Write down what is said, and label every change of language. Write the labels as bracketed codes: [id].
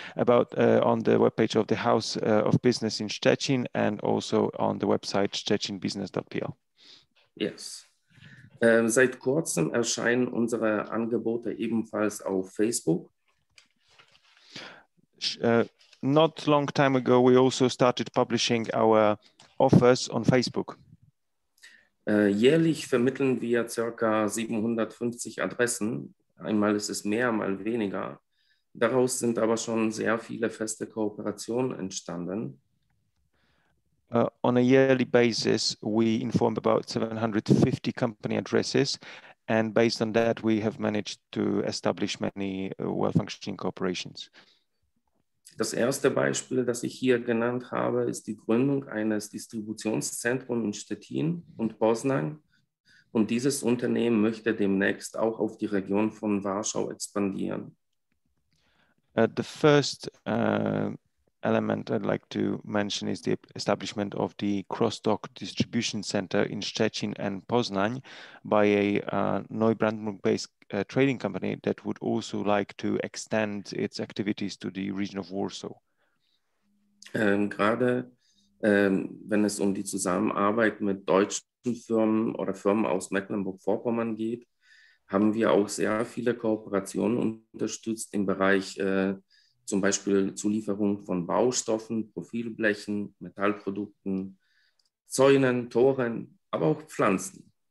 [en] About on the webpage of the House of Business in Szczecin and also on the website szczecinbusiness.pl. Yes. [de] Seit kurzem erscheinen unsere Angebote ebenfalls auf Facebook. [en] Not long time ago, we also started publishing our offers on Facebook. [de] Jährlich vermitteln wir circa 750 Adressen. Einmal ist es mehr, mal weniger. Daraus sind aber schon sehr viele feste Kooperationen entstanden. [en] On a yearly basis, we informed about 750 company addresses. And based on that, we have managed to establish many well-functioning corporations. [de] Das erste Beispiel, das ich hier genannt habe, ist die Gründung eines Distributionszentrums in Stettin und Poznań. Und dieses Unternehmen möchte demnächst auch auf die Region von Warschau expandieren. [en] The first element I'd like to mention is the establishment of the cross-dock distribution center in Stettin and Poznań by a Neubrandenburg-based trading company that would also like to extend its activities to the region of Warsaw. [de] Gerade wenn es um die Zusammenarbeit mit deutschen Firmen oder Firmen aus Mecklenburg-Vorpommern geht, haben wir auch sehr viele Kooperationen unterstützt im Bereich zum Beispiel Zulieferung von Baustoffen, Profilblechen, Metallprodukten, Zäunen, Toren, aber auch Pflanzen.